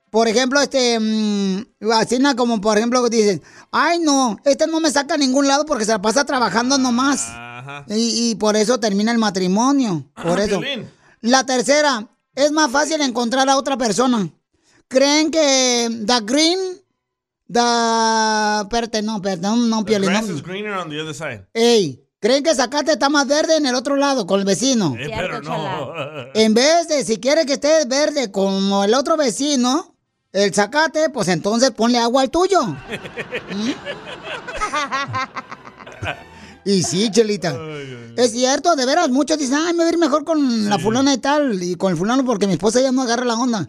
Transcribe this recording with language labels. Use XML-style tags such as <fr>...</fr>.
<es>Por ejemplo, así como por ejemplo que dicen, ay no, este no me saca a ningún lado porque se la pasa trabajando nomás. Ajá. Y por eso termina el matrimonio. Por eso. La tercera, es más fácil encontrar a otra persona. ¿Creen que</es> <en>The grass is greener on the other side. Ey.</en> <es>¿Creen que Zacate está más verde en el otro lado, con el vecino? Pero no. En vez de, si quiere que esté verde como el otro vecino, el Zacate, pues entonces ponle agua al tuyo. Y sí, Chelita. Ay. Es cierto, de veras, muchos dicen, ay, me voy a ir mejor con la fulana y tal, y con el fulano porque mi esposa ya no agarra la onda.</es>